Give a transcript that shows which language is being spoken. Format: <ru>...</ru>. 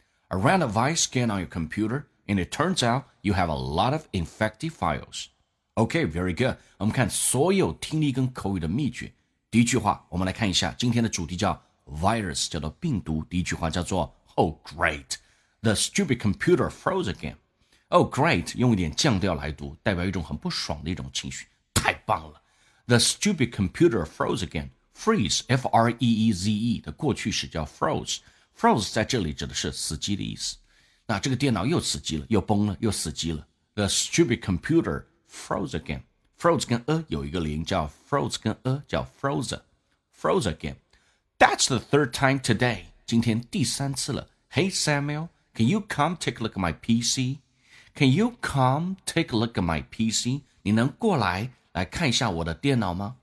<en>I ran a virus scan on your computer, and it turns out you have a lot of infected files. OK, very good.</en> <zh>我们看所有听力跟口语的秘诀。第一句话，我们来看一下，今天的主题叫 virus, 叫做病毒。第一句话叫做</zh> <en>Oh, great. The stupid computer froze again. Oh, great.</en> <zh>用一点降调来读，代表一种很不爽的一种情绪。太棒了。</zh> <en>The stupid computer froze again. Freeze, F-R-E-E-Z-E,</en> <zh>的过去式叫</zh> <en>froze.</en> <zh>Froze 在这里指的是死机的意思。那这个电脑又死机了，又崩了，又死机了。</zh> <en>The stupid computerFroze again. Froze</en> <zh>跟 有一个连叫</zh> <en>Froze</en> <zh>跟 叫</zh> <en>Froze. Froze again. That's the third time today.</en> <zh>今天第三次了。</zh> <en>Hey Samuel, can you come take a look at my PC? Can you come take a look at my PC?</en> <zh>你能过来来看一下我的电脑吗？</zh>